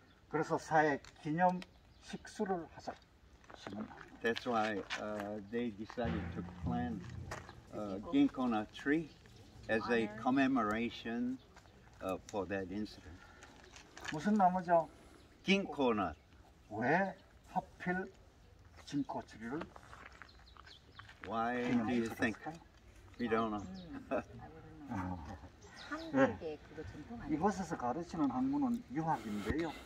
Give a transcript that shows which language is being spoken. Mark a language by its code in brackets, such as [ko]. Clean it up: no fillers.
[ko] 그래서 사액 기념 식수를 하자. [en] That's why they decided to plant ginkona tree as a commemoration for that incident. [ko] 무슨 나무죠? [en] Ginkona. [ko] 왜 하필 ginkgo tree를? [en] Why do you think? We don't know. [ko] 한국의 그거 전통 아니에요? 이곳에서 가르치는 학문은 유학인데요.